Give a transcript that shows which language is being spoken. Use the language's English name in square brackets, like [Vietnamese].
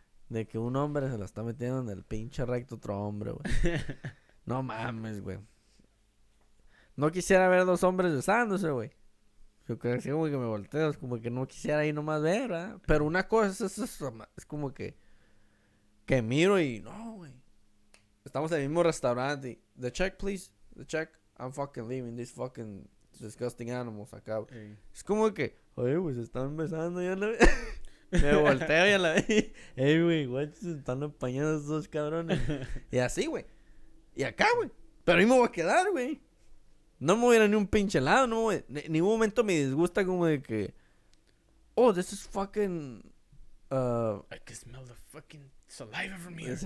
[Spanish] De que un hombre se la está metiendo en el pinche recto otro hombre, güey. No mames, güey. No quisiera ver dos hombres besándose, güey. Yo creo que como que me volteo, es como que no quisiera ir nomás ver, ¿verdad? Pero una cosa es como que miro y no, güey. Estamos en el mismo restaurante y, [English] the check, please, the check. I'm fucking leaving these fucking disgusting animals acá. Hey. [Spanish] Es como que, oye, güey, se están besando ya la... Me volteo y a la vez, hey, güey, güey, se están apañando esos dos cabrones. Y así, güey. Y acá, güey. Pero ahí me voy a quedar, güey. No me hubiera ni un pinche lado, no, güey. En ningún momento me disgusta como de que... [English] Oh, this is fucking... I can smell the fucking saliva from here.